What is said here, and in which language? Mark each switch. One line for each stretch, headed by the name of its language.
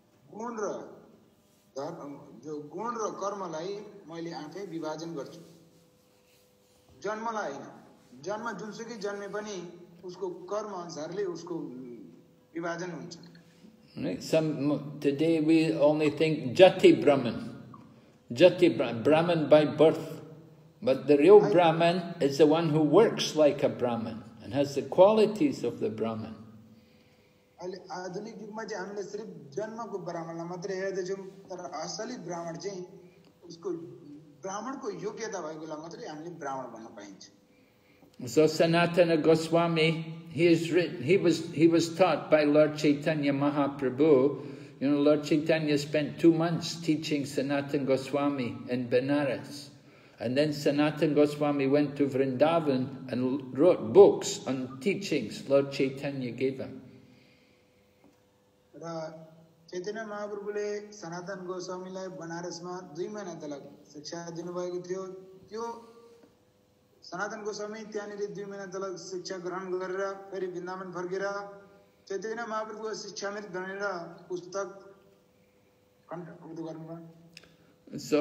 Nepali: गुण र धर्म जो गुण र कर्मलाई मैले आफै विभाजन गर्छु जन्मलाई होइन जन्म जुनसुकै जन्मे पनि उसको कर्म अनुसारले उसको विभाजन हुन्छ
English: today we only think jati brahman by birth but the real brahman is the one who works like a brahman and has the qualities of the brahman
Nepali: अहिले आधुनिक युगमा चाहिँ हामीले सिर्फ जन्मको ब्राह्मणलाई मात्रै हेर्दैछौँ तर असली ब्राह्मण चाहिँ उसको ब्राह्मणको योग्यता भएकोलाई मात्रै हामीले ब्राह्मण भन्न पाइन्छ
English: So Sanatana Goswami, he was taught by Lord Chaitanya Mahaprabhu. You know, Lord Chaitanya spent 2 months teaching Sanatana Goswami in Benares. And then Sanatana Goswami went to Vrindavan and wrote books on teachings Lord Chaitanya gave him.
Nepali: र चैतन्य महाप्रभुले सनातन गोस्वामीलाई बनारसमा 2 महिना तलक शिक्षा दिनुभएको थियो त्यो सनातन गोस्वामी त्यहाँनिर 2 महिना तलक शिक्षा ग्रहण गरेर फेरि वृन्दावन फर्केर चैतन्य महाप्रभुको शिक्षामृत भनेर पुस्तक कन्ट्रिब्युट गर्नुभयो